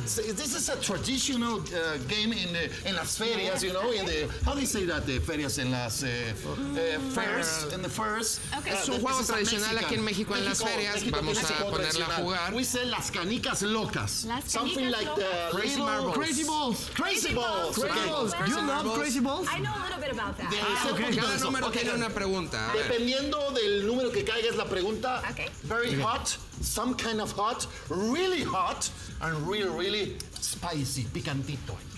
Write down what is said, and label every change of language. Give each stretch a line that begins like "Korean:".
English: This is a traditional game in las ferias, you know. How do you say that? The ferias
Spanish: en las
English: fairs. In the fairs. Okay.
Spanish: Es un juego tradicional aquí en México en las ferias. Vamos a ponerla a jugar.
English: We say
Spanish: las canicas locas.
English: Something like the crazy marbles. Crazy balls. Crazy balls. Crazy balls. You love crazy balls? I know a little bit about that.
Spanish: Cada número tiene una pregunta. Dependiendo del número que caiga es la pregunta.
English: Very hot. Some kind of hot, and really, really spicy, picantito.